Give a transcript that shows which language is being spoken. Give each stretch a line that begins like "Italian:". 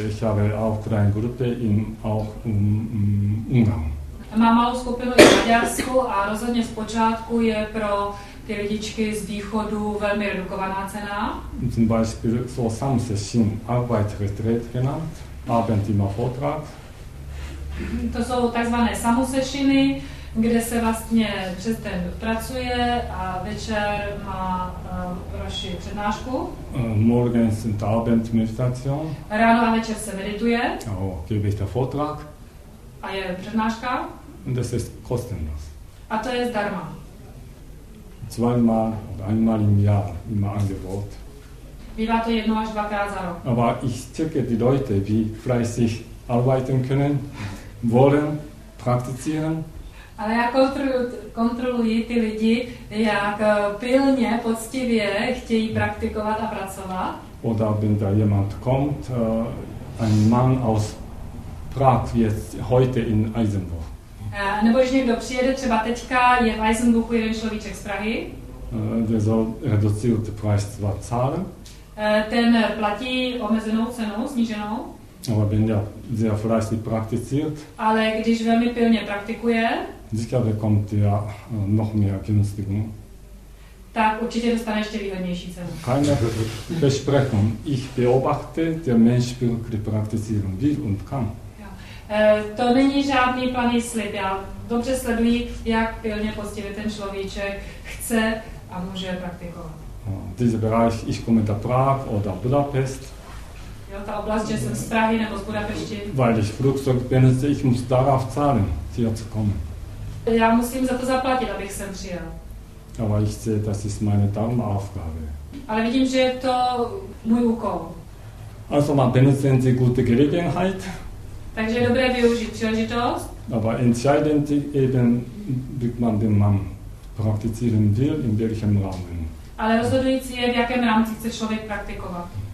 German: Ich habe auch kleine Gruppe in auch Ungarn.
Czech: Mám malou skupinu in Maďarsku a rozhodně z počátku je pro ty lidičky z východu velmi redukovaná cena.
German: Zum Beispiel so Samsessin, Arbeitsretreat genannt, Abend immer Vortrag.
Czech: To jsou takzvané samosešiny, kde se vlastně přes den pracuje a večer má roši přednášku.
German: Morgens sind Abend Meditation.
Czech: Ráno a večer se medituje.
German: Oh, gebe ich der Vortrag.
Czech: A je přednáška.
German: Und das ist kostenlos.
Czech: A to je zdarma.
German: Zweimal oder einmal im Jahr immer Angebot.
Czech: Bývá to jedno až dvakrát za rok.
German: Aber ich checke die Leute, wie fleißig arbeiten können, wollen, praktizieren.
Czech: Ale já kontroluji ty lidi, jak pilně, poctivě chtějí praktikovat a pracovat.
German: Oder wenn da jemand kommt, ein Mann aus Prag, jetzt heute in Eisenburg.
Czech: Nebo když někdo přijede, třeba teďka je v Eisenbuchu jeden človíček z Prahy.
German: Der soll reduzierte Preis zwar zahlen.
Czech: Ten platí omezenou cenu, sníženou.
German: Aber wenn der sehr fleißig praktiziert.
Czech: Ale když velmi pilně praktikuje. získáte konty a mnohem nějaký nostigmu. Tak určitě dostane ještě výhodnější cenu.
German: Keine Versprechung. Ich beobachte der Mensch will kripraktizieren, wie und kann.
Czech: To není žádný planý slib, já dobře sleduji, jak pilně postivě ten človíček chce a může praktikovat.
German: Diese Bereich, ich komme da Prag oder Budapest.
Czech: Jo, ta oblast, že jsem z Prahy nebo z Budapešti.
German: Weil ich Flugzeug benutze, ich muss darauf zahlen, hier zu kommen.
Czech: Já musím za to zaplatit, abych sem přijel.
German: Aber ich sehe, das ist meine Daumenaufgabe.
Czech: Ale vidím, že je to můj úkol.
German: Also man benutzen Sie gute Gelegenheit.
Czech: Takže dobré využít příležitost.
German: Aber entscheidend eben, wie man den Mann praktizieren will, in welchem Rahmen.
Czech: Ale rozhodující je, v jakém rámci chce člověk praktikovat.